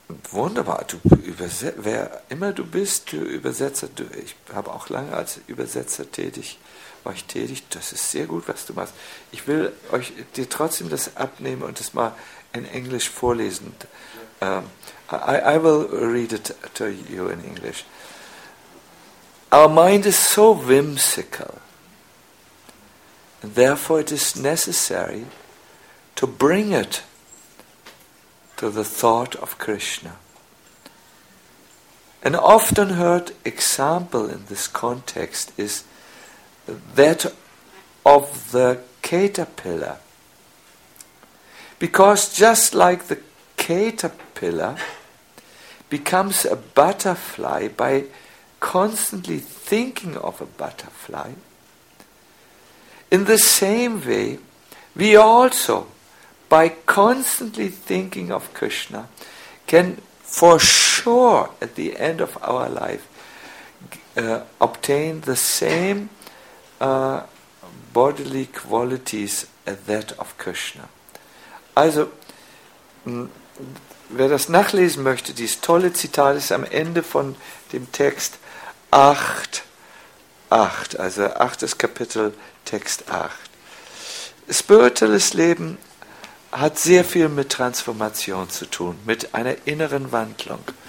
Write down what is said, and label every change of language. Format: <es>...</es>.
<de>Wunderbar, wer immer du bist, du Übersetzer, ich habe auch lange als Übersetzer tätig, das ist sehr gut, was du machst. Ich will euch dir trotzdem das abnehmen und das mal in Englisch vorlesen.</de> <en>I will read it to you in English. Our mind is so whimsical, and therefore it is necessary to bring it to the thought of Krishna. An often heard example in this context is that of the caterpillar. Because just like the caterpillar becomes a butterfly by constantly thinking of a butterfly, in the same way, we also, by constantly thinking of Krishna, can for sure at the end of our life obtain the same bodily qualities as that of Krishna.</en> <de>Also, wer das nachlesen möchte, dieses tolle Zitat ist am Ende von dem Text 8, also 8. Kapitel, Text 8. Spirituelles Leben hat sehr viel mit Transformation zu tun, mit einer inneren Wandlung.</de>